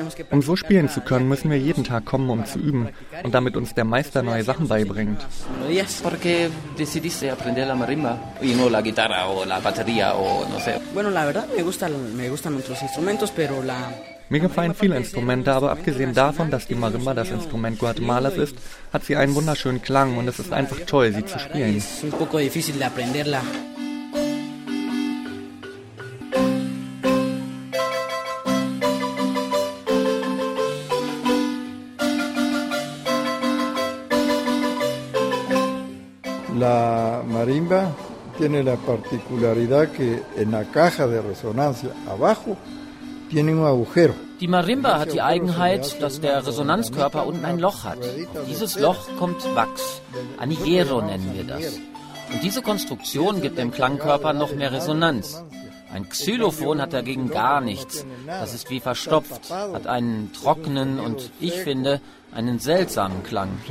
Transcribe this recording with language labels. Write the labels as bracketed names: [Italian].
[German] Um so spielen zu können, müssen wir jeden Tag kommen, um zu üben und damit uns der Meister neue Sachen beibringt. [Spanish] Bueno, la verdad, me gustan otros instrumentos, pero la [German] Mir gefallen viele Instrumente, aber abgesehen davon, dass die Marimba das Instrument Guatemalas ist, hat sie einen wunderschönen Klang und es ist einfach toll, sie zu spielen. [Spanish] La marimba tiene la particularidad que en la caja de resonancia abajo tiene un agujero. [German] Die Marimba hat die Eigenheit, dass der Resonanzkörper unten ein Loch hat. Dieses Loch kommt Wachs. Anillero nennen wir das. Und diese Konstruktion gibt dem Klangkörper noch mehr Resonanz. Ein Xylophon hat dagegen gar nichts. Das ist wie verstopft, hat einen trockenen und, ich finde, einen seltsamen Klang.